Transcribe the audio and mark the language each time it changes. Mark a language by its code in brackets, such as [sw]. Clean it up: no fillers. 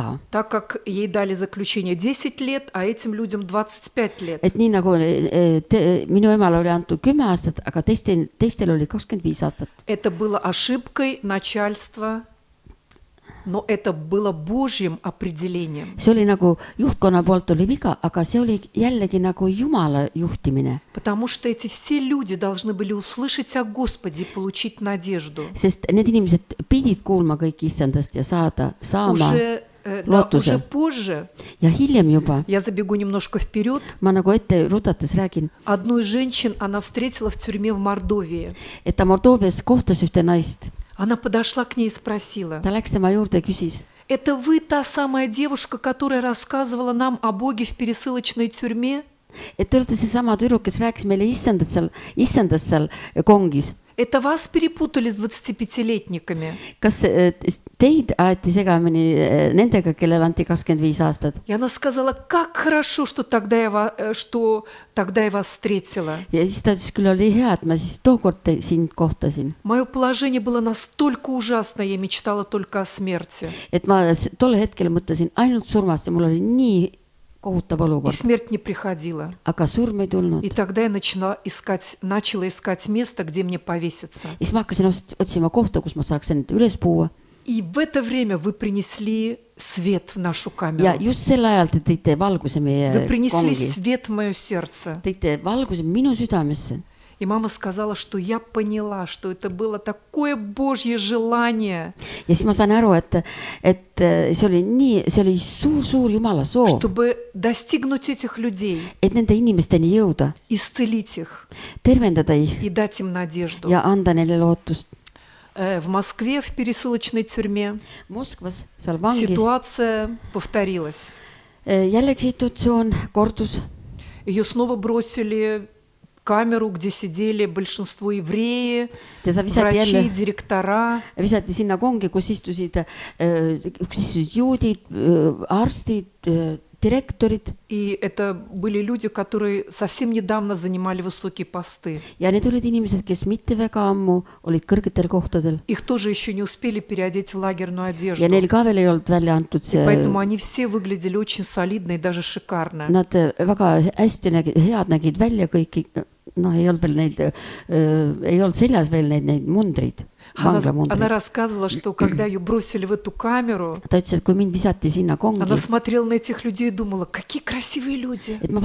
[ru] Так как ей дали заключение 10 лет, а этим людям 25 лет. [et] Et, nii, nagu, minu emal oli antud 10 aastat, aga teistel oli 25 aastat. [ru] Это было ошибкой начальства, но это было Божьим определением. [et] See oli nagu juhtkonna poolt oli viga, aga see oli jällegi nagu Jumala juhtimine. [ru] Потому что эти все люди должны были услышать о Господе и получить надежду. [et] Sest need inimesed pidid kuulma kõik Issandast ja saama lootuse. [ru] Уже позже. [et] Ja hiljem juba. [ru] Я забегу немножко вперед. [et] Ma nagu ette rutates räägin. [ru] Одну из женщин она встретила в тюрьме в Мордовии. [et] Et ta Mordovias kohtas ühte naist. [ru] Она подошла к ней и спросила. [et] Ta läks tema juurde ja küsis. [ru] Это вы та самая девушка, которая рассказывала нам о Боге в пересылочной тюрьме? [et] Et te olete see sama tüdruk, kes rääkis meile Issandast seal kongis. [ru] Это вас перепутали с 25-летниками? [et] Kas teid aeti segamini nendega, kellel anti 25 aastat? [ru] И она сказала, как хорошо, что тогда я вас встретила. [et] Ja siis ta ütles, küll oli hea, et ma siis tookord sind kohtasin. [ru] Мое положение было настолько ужасно, я мечтала только о смерти. [et] Et ma tolle hetkel mõtlesin ainult surmast ja mul oli nii kohutav olukord. [ru] И смерть не приходила. [et] Aga surm ei tulnud. [ru] И тогда я начала искать место, где мне повеситься. [et] И ma hakkasin otsima kohta, kus ma saaksin üles puua. [ru] И в это время вы принесли свет в нашу камеру. [et] Ja just sel ajal te tõite valguse meie kongi. [ru] Вы принесли свет в мое сердце. [et] Tõite valguse minu südamesse. [ru] И мама сказала, что я поняла, что это было такое Божье желание. [et] Ja siis ma saan aru, et see oli suur Jumala soov. [ru] Чтобы достигнуть этих людей. [et] Et nende inimesteni jõuda. [ru] Исцелить их. [et] Tervendada [ru] их. И дать им надежду. [et] Ja anda neile lootust. [ru] В Москве в пересылочной тюрьме. [et] Moskvas, seal vangis. [ru] Ситуация повторилась. [et] Jällegi situatsioon kordus. [ru] Ее снова бросили камеру, где сидели большинство евреи, врачи, [et] jälle, [ru] директора. [et] Visati sinna kongi, kus istusid juudid, arstid, direktorid. [ru] И это были люди, которые совсем недавно занимали высокие посты. [et] Ja need olid inimesed, kes mitte väga ammu olid kõrgetel kohtadel. [ru] Их тоже еще не успели переодеть в лагерную одежду. [et] Ja neil ka veel ei olnud välja antud see... [ru] И поэтому они все выглядели очень солидно и даже шикарно. [et] Nad väga hästi head nägid välja kõiki. No ei olnud seljas veel neid mundrid. [ru] Она рассказывала, что когда ее бросили в эту камеру, она смотрела на этих людей и думала, какие красивые люди.